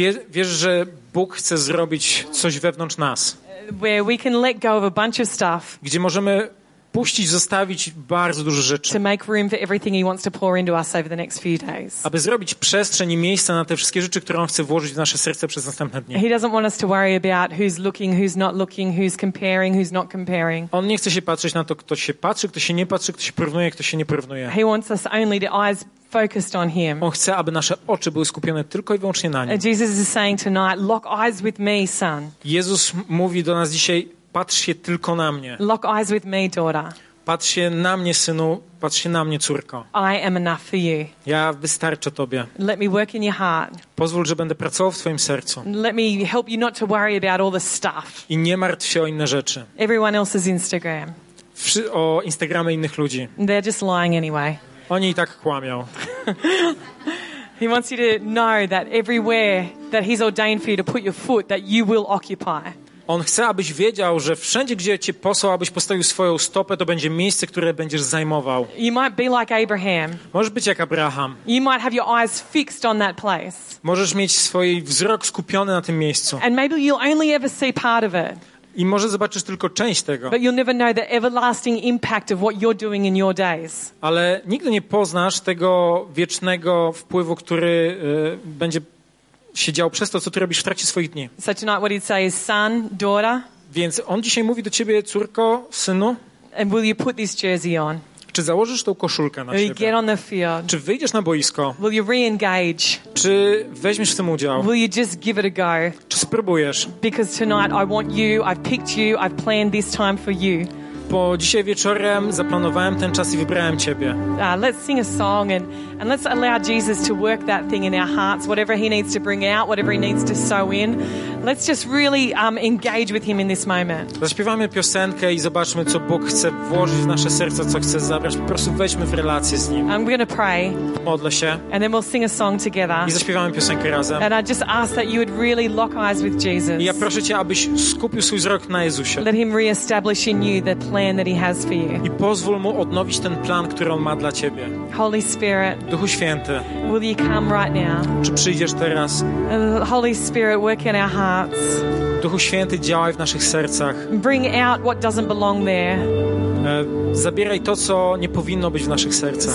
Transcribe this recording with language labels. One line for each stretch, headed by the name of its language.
Polish: Wiesz, że Bóg chce zrobić coś wewnątrz nas.
English: Where we can let go of a bunch of stuff.
Polish: Gdzie możemy puścić, zostawić bardzo dużo rzeczy.
English: To make room for everything he wants to pour into us over the next few days.
Polish: Aby zrobić przestrzeń i miejsce na te wszystkie rzeczy, które on chce włożyć w nasze serce przez następne dni.
English: He doesn't want us to worry about who's looking, who's not looking, who's comparing, who's not comparing.
Polish: On nie chce się patrzeć na to, kto się patrzy, kto się nie patrzy, kto się porównuje, kto się nie porównuje.
English: He wants us only the eyes focused on him.
Polish: On chce, aby nasze oczy były skupione tylko i wyłącznie na nim.
English: Jesus is saying tonight, lock eyes with me, son.
Polish: Jezus mówi do nas dzisiaj: patrz się tylko na mnie.
English: Lock eyes with me, daughter.
Polish: Patrz się na mnie, synu. Patrz się na mnie, córko.
English: I am enough for you.
Polish: Ja wystarczę tobie.
English: Let me work in your heart.
Polish: Pozwól, że będę pracował w twoim sercu.
English: Let me help you not to worry about all the stuff.
Polish: I nie martw się o inne rzeczy.
English: Everyone else's Instagram.
Polish: O Instagramie innych ludzi.
English: They're just lying anyway.
Polish: Oni i tak kłamią.
English: He wants you to know that everywhere that he's ordained for you to put your foot, that you will occupy.
Polish: On chce, abyś wiedział, że wszędzie, gdzie cię posłał, abyś postawił swoją stopę, to będzie miejsce, które będziesz zajmował.
English: You might be like Abraham.
Polish: Możesz być jak Abraham.
English: You might have your eyes fixed on that place.
Polish: Możesz mieć swój wzrok skupiony na tym miejscu.
English: And maybe you'll only ever see part of it.
Polish: I może zobaczysz tylko część tego.
English: But you'll never know the everlasting impact of what you're doing in your days.
Polish: Ale nigdy nie poznasz tego wiecznego wpływu, który będzie siedział przez to, co ty robisz w trakcie swoich dni.
English: So tonight what he'd say is, son, daughter.
Polish: Więc on dzisiaj mówi do ciebie, córko, synu.
English: And will you put this jersey on?
Polish: Czy założysz tą koszulkę na siebie?
English: Get on the field?
Polish: Czy wyjdziesz na boisko?
English: Will you re-engage?
Polish: Czy weźmiesz w tym udział?
English: Will you just give it a go?
Polish: Czy spróbujesz?
English: Because tonight I want you, I've picked you, I've planned this time for you.
Polish: Bo dzisiaj wieczorem zaplanowałem ten czas i wybrałem ciebie.
English: Let's sing a song and let's allow Jesus to work that thing in our hearts, whatever he needs to bring out, whatever he needs to sow in. Let's just really engage with him in this moment.
Polish: Zaśpiewamy piosenkę i zobaczmy, co Bóg chce włożyć w nasze serce, co chce zabrać. Po prostu wejdźmy w relację z nim.
English: I'm going to pray.
Polish: Modlę się.
English: And then we'll sing a song together.
Polish: I zaśpiewamy piosenkę razem.
English: And I just ask that you would really lock eyes with Jesus.
Polish: I ja proszę cię, abyś skupił swój wzrok na Jezusie.
English: Let him reestablish in you the plan that he has for you.
Polish: I pozwól mu odnowić ten plan, który on ma dla ciebie.
English: Holy Spirit.
Polish: Duchu Święty.
English: Will you come right now?
Polish: Czy przyjdziesz teraz?
English: Holy Spirit, work in our hearts.
Polish: Duchu Święty, działaj w naszych sercach.
English: Bring out what doesn't belong there.
Polish: Zabieraj to, co nie powinno być w naszych sercach.